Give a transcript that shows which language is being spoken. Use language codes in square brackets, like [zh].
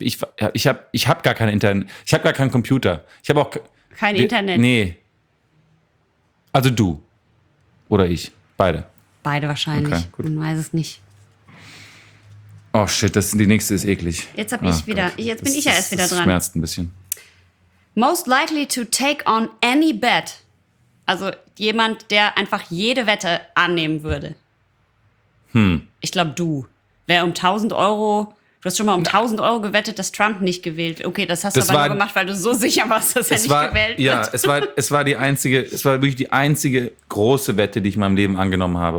[de] Ich hab gar kein Internet. Ich habe gar keinen Computer. Ich habe auch kein Internet. Nee. Also du. Oder ich. Beide. Beide wahrscheinlich. Okay, gut. Man weiß es nicht. Oh shit, die nächste ist eklig. Jetzt hab ich wieder. Gott. Jetzt bin ich ja erst wieder dran. Das schmerzt ein bisschen. [en] Most likely to take on any bet. [de] Also jemand, der einfach jede Wette annehmen würde. Ich glaube, du. Wer um 1000 Euro, du hast schon mal um 1000 Euro gewettet, dass Trump nicht gewählt wird. Okay, das hast du aber nur gemacht, weil du so sicher warst, dass er nicht gewählt wird. Ja, es war wirklich die einzige große Wette, die ich in meinem Leben angenommen habe.